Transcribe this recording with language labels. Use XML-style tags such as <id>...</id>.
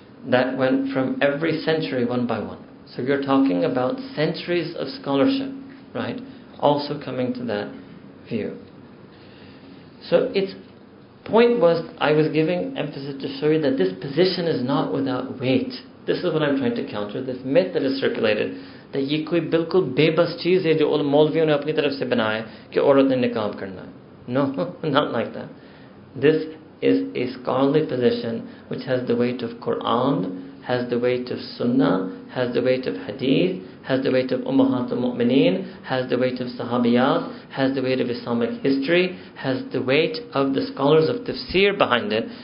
<en>That went from every century one by one. So you're talking about centuries of scholarship, right? Also coming to that view. So its point was, I was giving emphasis to show you that this position is not without weight. This is what I'm trying to counter, this myth that is circulated, that</en> <ur>یہ کوئی بالکل بےبس چیز ہے جو ال مولویوں نے اپنی طرف سے بنایا کہ عورت نے نقاب کرنا.</ur> <en>No, not like that. This is a scholarly position which has the weight of Quran, has the weight of Sunnah, has the weight of Hadith, has the weight of Ummahat al-Mu'mineen, has the weight of Sahabiyat, has the weight of Islamic history, has the weight of the scholars of Tafsir behind it.</en>